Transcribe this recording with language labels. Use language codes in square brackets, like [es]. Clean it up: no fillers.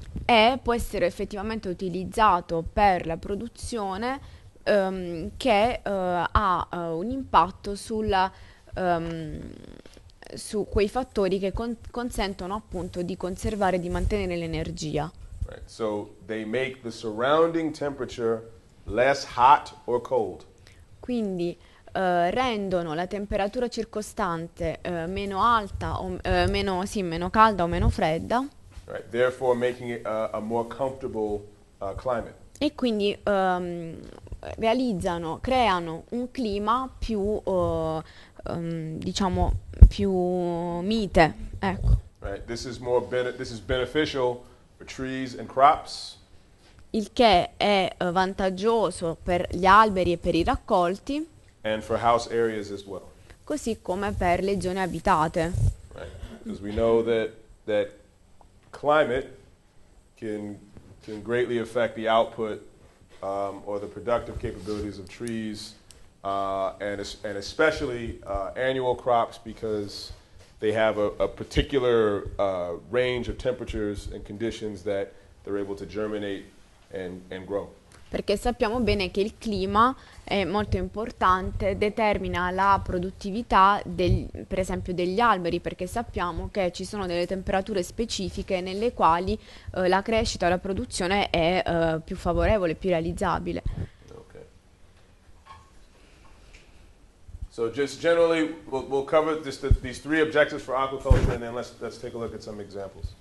[it] E può essere effettivamente utilizzato per la produzione che ha un impatto su quei fattori che consentono, appunto, di conservare, di mantenere l'energia. [en] Right. So they make the surrounding temperature less hot or cold. [it] Quindi rendono la temperatura circostante meno alta o meno calda o meno fredda. [en] Right. Therefore making it a more comfortable climate. [it] E quindi creano un clima più diciamo più mite, ecco. [en] Right. This is beneficial for trees and crops. [it] Il che è vantaggioso per gli alberi e per i raccolti. [en] And for house areas as well. [it] Così come per le zone abitate. [en] Right. Because we know that climate can greatly affect the output or the productive capabilities of trees. And especially annual crops, because they have a particular range of temperatures and conditions that they're able to germinate and grow. [it] Perché sappiamo bene che il clima è molto importante, determina la produttività per esempio degli alberi, perché sappiamo che ci sono delle temperature specifiche nelle quali la crescita, la produzione è più favorevole, più realizzabile. [en] So just generally, we'll cover these three objectives for aquaculture, and then let's take a look at some examples.